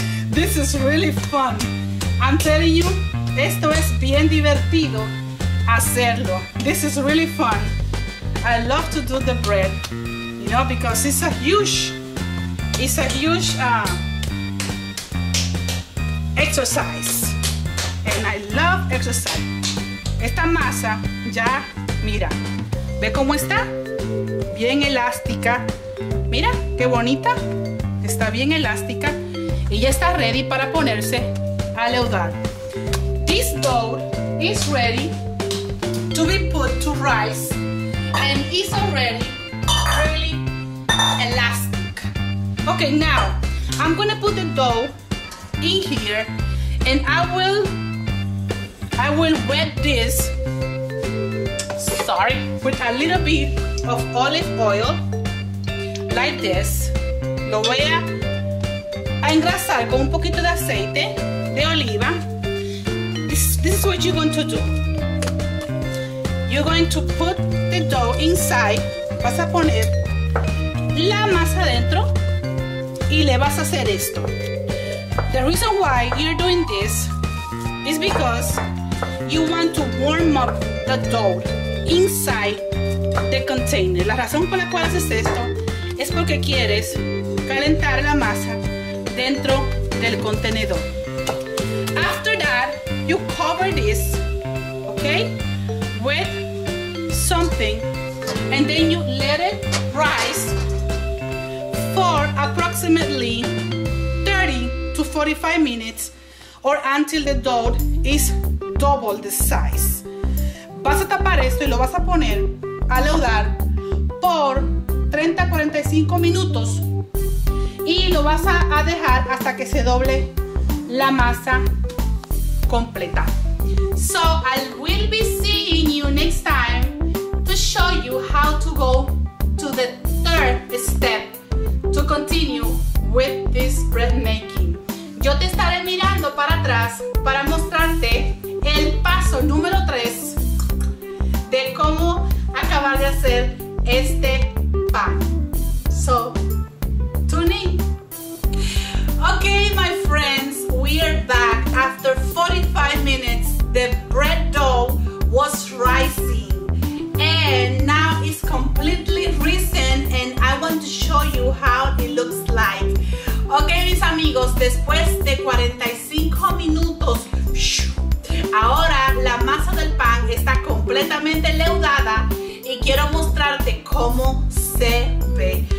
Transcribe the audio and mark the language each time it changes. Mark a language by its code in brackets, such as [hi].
[en] This is really fun. I'm telling you, [es] esto es bien divertido hacerlo. [en] This is really fun. I love to do the bread, you know, because it's a huge exercise, and I love exercise. [es] Esta masa ya, mira, ve cómo está, bien elástica, mira qué bonita, está bien elástica y ya está ready para ponerse a leudar. [en] This dough is ready to be put to rice and is already really elastic. Okay, now, I'm gonna put the dough in here, and I will wet this, with a little bit of olive oil, like this. [es] Lo voy a engrasar con un poquito de aceite de oliva. [en] This is what you're going to do. You're going to put the dough inside. [es] Vas a poner la masa dentro. Y le vas a hacer esto. [en] The reason why you're doing this is because you want to warm up the dough inside the container. [es] La razón por la cual haces esto es porque quieres calentar la masa dentro del contenedor. [en] After that, you cover this, okay, with something, and then you let it rise for approximately 30 to 45 minutes, or until the dough is double the size. [es] Vas a tapar esto y lo vas a poner a leudar por 30 a 45 minutos y lo vas a dejar hasta que se doble la masa completa. [en] So I will be seeing you next time to show you how to go to the third step to continue with this bread making. [es] Yo te estaré mirando para atrás para mostrarte el paso número 3 de cómo acabar de hacer este pan. [en] So, tune in. Okay, my friends, we are back. After 45 minutes, the bread dough was rising and now it's completely risen, and I want to show you how it looks like. [es] Okay, mis amigos, después de 45 minutos, ahora la masa del pan está completamente leudada y quiero mostrarte cómo se ve.